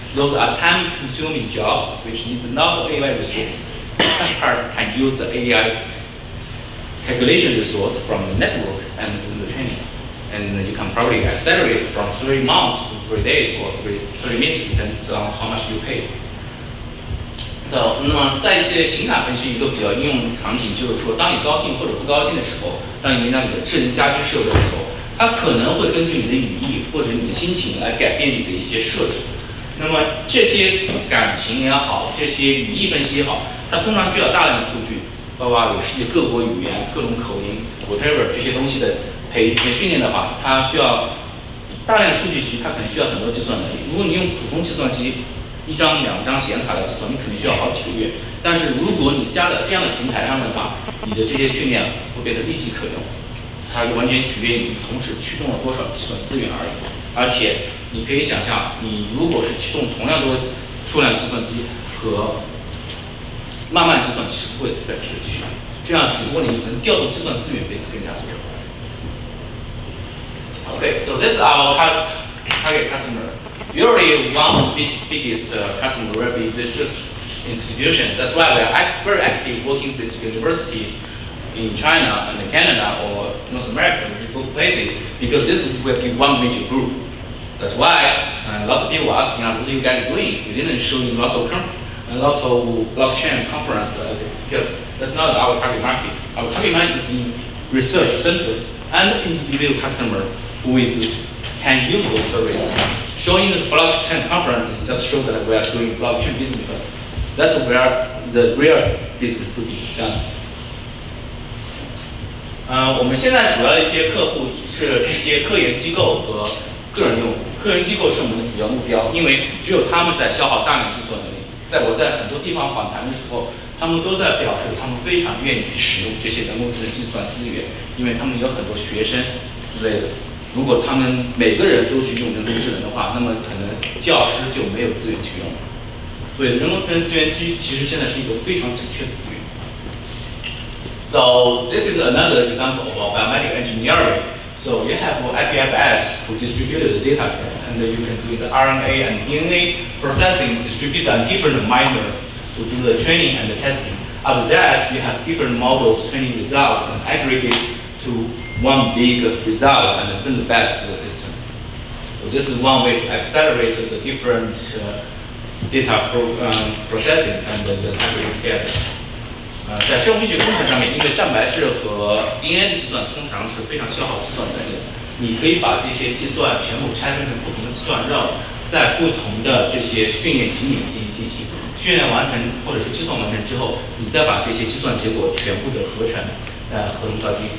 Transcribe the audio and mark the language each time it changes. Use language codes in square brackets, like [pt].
[en] Those are time-consuming jobs which needs lots of AI resources. This part can use the AI calculation resource from the network and do the training. And you can probably accelerate from 3 months to 3 days or 3 minutes, depends on how much you pay. [zh] So, 那么在这些情感分析一个比较应用场景，就是说，当你高兴或者不高兴的时候，当你让你的智能家居设备的时候，它可能会根据你的语义或者你的心情来改变你的一些设置。那么这些感情也好，这些语义分析也好，它通常需要大量的数据，包括有世界各国语言、各种口音 ，whatever 这些东西的培训练的话，它需要。大量数据集它可能需要很多计算能力，如果你用普通计算机一张两张显卡来计算，你可能需要好几个月，但是如果你加了这样的平台上的话，你的这些训练会变得立即可用，它完全取决于你同时驱动了多少计算资源而已。而且你可以想象，你如果是驱动同样多数量计算机和慢慢计算，其实不会有本质的区别，这样只不过你能调动计算资源变得更加多。 [en] Okay, so this is our target customer. Usually one of the biggest customer will be this institution. That's why we are very active working with universities in China and Canada or North America, which is good places, because this will be one major group. That's why lots of people are asking us, what are you guys doing? We didn't show you lots of blockchain conference, because that's not our target market. Our target market is in research centers and individual customers. Who is can use those stories. Showing the blockchain conference just shows that we are doing blockchain business. But that's where the real business will be done. [zh] 我们现在主要一些客户是一些科研机构和个人用户。个人机构是我们的主要目标，因为只有他们在消耗大量计算能力。在我在很多地方访谈的时候，他们都在表示他们非常愿意去使用这些人工智能计算资源，因为他们有很多学生之类的。如果他们每个人都去用人工智能的话，那么可能教师就没有资源去用了。所以人工智能资源其实现在是一个非常紧缺的资源。 [en] So this is another example of biomedical engineering. So you have IPFS who distributed the data set, and you can do the RNA and DNA processing distributed on different miners to do the training and the testing. After that, you have different models training result and aggregate to one big result and send it back to the system. So this is one way to accelerate the different data processing and the aggregate together. [zh] 在生物医学工程上面，因为蛋白质和 DNA 的计算通常是非常消耗计算能力的，你可以把这些计算全部拆分成不同的计算肉，在不同的这些训练集里面进行训练完成或者是计算完成之后，你再把这些计算结果全部的合成，再合成到这。